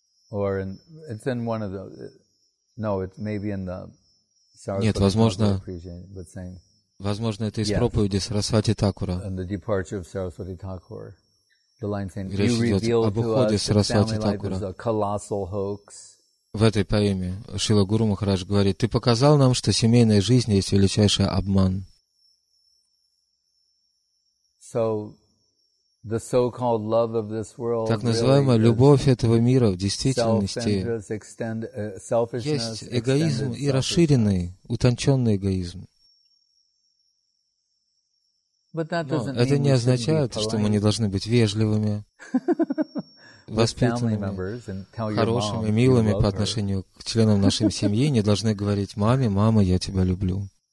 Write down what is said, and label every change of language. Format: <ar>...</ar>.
<en>Or in, it's in one of the, no, it's maybe in the Sarasvati.</en> <ru>Нет, возможно,</ru> <en>but saying,</en> <ru>возможно, это из проповеди Сарасвати Такура.</ru> <en>And the departure of Sarasvati Thakur. The line saying, you revealed to us that family life is a colossal hoax.</en> <ru>В этой поэме Шрила Гуру Махарадж говорит, ты показал нам, что семейная жизнь есть величайший обман.</ru> <en>So, the so-called love of this world,</en> <ru>так называемая любовь этого мира в действительности есть эгоизм и расширенный, утонченный эгоизм. Но это не означает, что мы не должны быть вежливыми, воспитанными, хорошими, милыми по отношению к членам нашей семьи, не должны говорить маме, мама, я тебя люблю.</ru>